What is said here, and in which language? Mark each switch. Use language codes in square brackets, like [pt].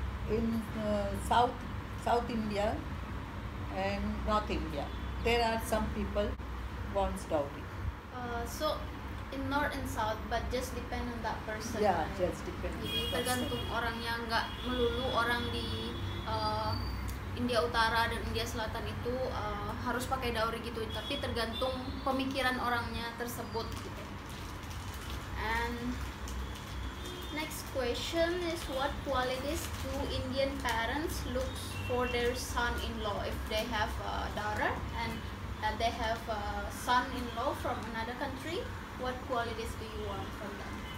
[en] In South India and North India, there are some people wants dowry. So in North and South, but just depend on that person. Yeah, right? Just depend. [id] Jadi tergantung orang yang enggak melulu orang di India Utara dan India Selatan itu harus pakai dowry gitu. Tapi tergantung pemikiran orangnya tersebut. Gitu. [en] And next question is, what qualities do Indian parents look for their son-in-law if they have a daughter and they have a son-in-law from another country? What qualities do you want from them?